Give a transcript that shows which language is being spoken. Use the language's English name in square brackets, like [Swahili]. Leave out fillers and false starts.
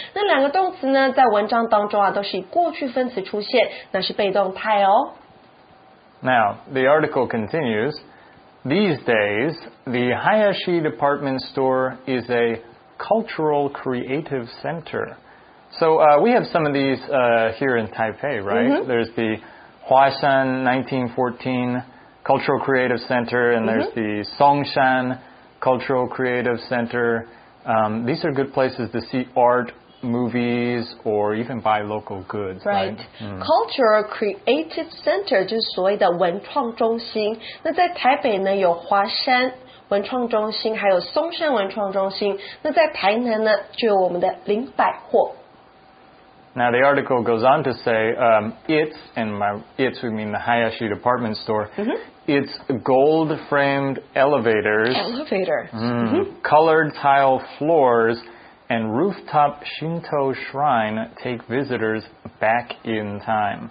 [Chinese] 那两个动词呢，在文章当中啊，都是以过去分词出现，那是被动态哦。 [English] Now, the article continues. These days, the Hayashi Department Store is a cultural creative center. So, we have some of these, here in Taipei, right?、 There's the Huashan 1914 Cultural Creative Center, and there's、 mm-hmm. the Songshan Cultural Creative Center. These are good places to see art, movies, or even buy local goods. Right. Right?、Mm. [Chinese] Cultural Creative Center 就是所谓的文创中心。那在台北呢，有华山文创中心，还有松山文创中心。那在台南呢，就有我们的林百货。 [English] Now the article goes on to say, we mean the Hayashi Department Store,、 mm-hmm. its gold-framed elevator. Mm-hmm. Mm-hmm. colored tile floors, and rooftop Shinto shrine take visitors back in time.